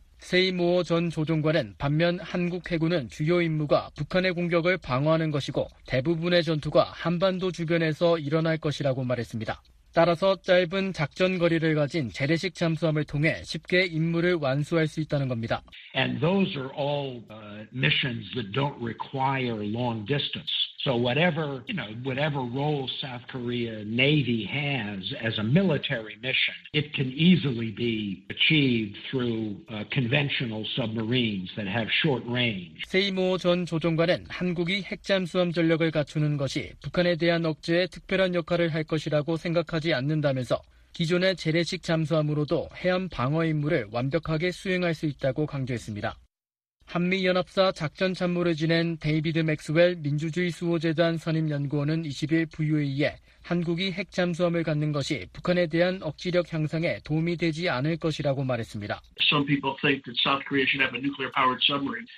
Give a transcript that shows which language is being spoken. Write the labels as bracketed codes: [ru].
[ko] 세이모어 전 조종관은 반면 한국 해군은 주요 임무가 북한의 공격을 방어하는 것이고 대부분의 전투가 한반도 주변에서 일어날 것이라고 말했습니다. 따라서 짧은 작전 거리를 가진 재래식 잠수함을 통해 쉽게 임무를 완수할 수 있다는 겁니다. [en] And those are all missions that don't require long distance. So whatever, you know, whatever role South Korea Navy has as a military mission, it can easily be achieved through conventional submarines that have short range. [ko] 세이모 전 조종관은 한국이 핵잠수함 전력을 갖추는 것이 북한에 대한 억제에 특별한 역할을 할 것이라고 생각하지 않는다면서 기존의 재래식 잠수함으로도 해안 방어 임무를 완벽하게 수행할 수 있다고 강조했습니다. 한미연합사 작전참모를 지낸 데이비드 맥스웰 민주주의 수호재단 선임연구원은 20일 VOA에 한국이 핵잠수함을 갖는 것이 북한에 대한 억지력 향상에 도움이 되지 않을 것이라고 말했습니다. [en] Some people think that South Korea should have a nuclear-powered submarine.